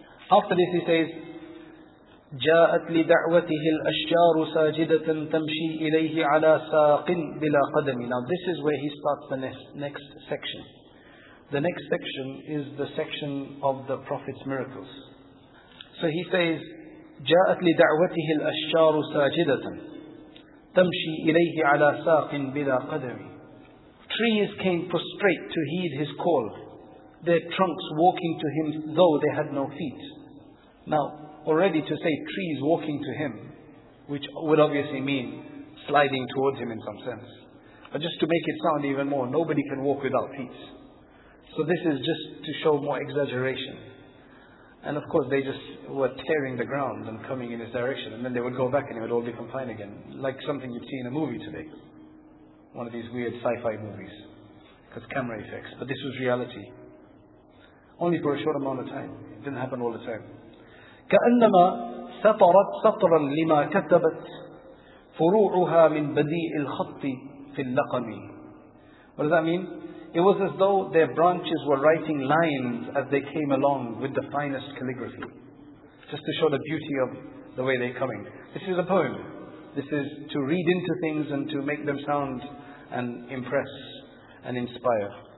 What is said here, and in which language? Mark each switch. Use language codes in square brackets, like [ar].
[en] After this, he says, [ar] جاءت لدعوته الأشجار ساجدة تمشي إليه على ساق بلا قدم. [en] Now this is where he starts the next section. The next section is the section of the Prophet's miracles. So he says, [ar] جاءت لدعوته الأشجار ساجدة تمشي إليه على ساق بلا قدم. [en] Trees came prostrate to heed his call, their trunks walking to him though they had no feet. Now, already to say trees walking to him, which would obviously mean sliding towards him in some sense. But just to make it sound even more, nobody can walk without feet. So this is just to show more exaggeration. And of course they just were tearing the ground and coming in his direction. And then they would go back and it would all become fine again. Like something you'd see in a movie today. One of these weird sci-fi movies. Because camera effects. But this was reality. Only for a short amount of time. It didn't happen all the time. [ar] كأنما سطرت سطرا لما كتبت فروعها من بديء الخط في اللقم. [en] What does that mean? It was as though their branches were writing lines as they came along with the finest calligraphy. Just to show the beauty of the way they're coming. This is a poem. This is to read into things and to make them sound and impress and inspire.